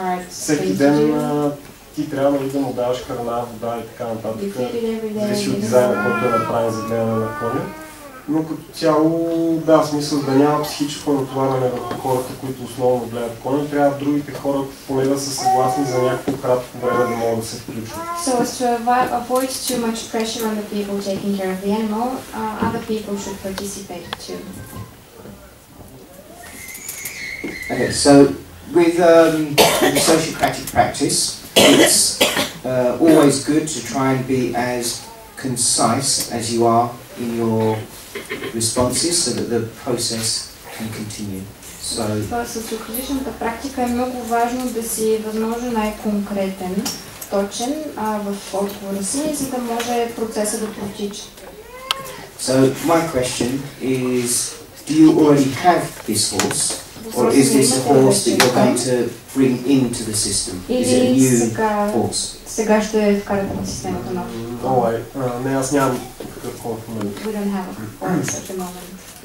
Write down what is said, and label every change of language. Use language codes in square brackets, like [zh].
[bg] всеки ден ти трябва да му даваш храна, вода и така нататък, зависи от дизайна, който е направен за гледане на коня. Но като цяло, да, смисъл да няма психическо натоварване върху хората, които основно гледат коня, трябва другите хора поне да са съгласни за някакво кратко време да могат да се включат. [en] So as to avoid too much pressure on the people taking care of the animal, other people should participate too. Okay, so with the sociocratic practice, it's always good to try and be as concise as you are in your responses so that the process can continue. So [bg] социокритичната практика е много важно да си възможно най-конкретен, точен в отговора си, за да може процесът да протича. [en] So my question is, do you already have this horse? Or is this a horse that you're going to bring into the system? Is it a new horse? [bg] Сега ще вкарате в системата нов. Не, аз нямам такъв кон в момента. [en] We don't have a horse at the moment.